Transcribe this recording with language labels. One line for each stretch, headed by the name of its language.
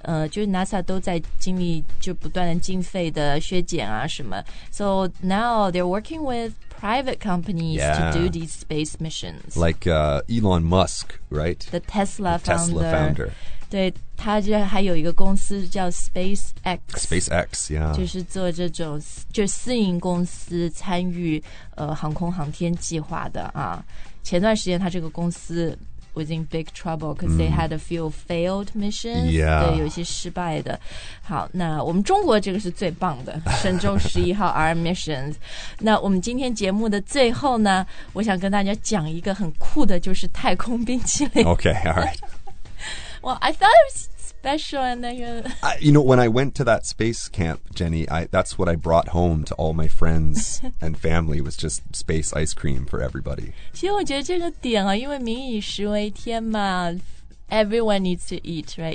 Chinese: 就是 NASA 都在经历就不断的经费的削减啊什么。
English: So now they're working with private companies to do these space missions. Like、Elon Musk, right? The Tesla founder. Tesla founder.
Chinese: 对，他就还有一个公司叫 SpaceX。
English: SpaceX, yeah.
Chinese: 就是做这种就私营公司参与、航空航天计划的啊。前段时间他这个公司
English: was in big trouble because they had a few failed missions. Yeah.
Chinese: 对，有一些失败的。好，那我们中国这个是最棒的，神舟十一号 R missions. 那我们今天节目的最后呢，我想跟大家讲一个很酷的，就是太空冰淇淋。
English: Okay, all right. Well, I thought it was special, and then you know, when I went to that space camp, Jenny, that's what I brought home to all my friends and family was just space ice cream for everybody.
Chinese: 其实我觉得这个点啊，因为民以食为天嘛 ，
English: everyone needs to eat, right?